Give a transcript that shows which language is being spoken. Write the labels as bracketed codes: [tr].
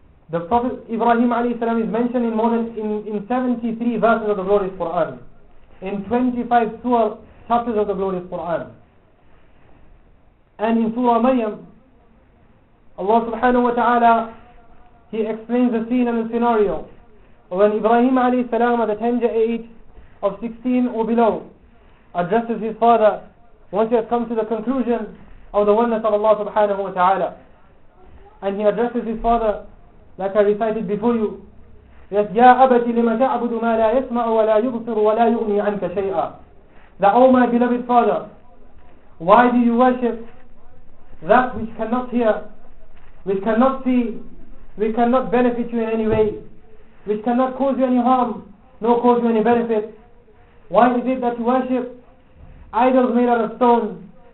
[en] The Prophet Ibrahim alayhi salam is mentioned in more than 73 verses of the glorious Quran, in 25 surah chapters of the glorious Quran, and in Surah Maryam, Allah subhanahu wa ta'ala, he explains the scene and the scenario when Ibrahim alayhi salam at the tender age of 16 or below addresses his father once he has come to the conclusion of the oneness of Allah subhanahu wa ta'ala. And he addresses his father, like I recited before you, yes, [ar] يَا أَبَتِ لِمَ تَعْبُدُ مَا لَا يَسْمَعُ وَلَا يُبْصِرُ وَلَا يُغْنِي عَنْكَ شَيْئًا. [en] That, oh my beloved father, why do you worship that which cannot hear, which cannot see, which cannot benefit you in any way, which cannot cause you any harm, nor cause you any benefit? Why is it that you worship idols made out of stone?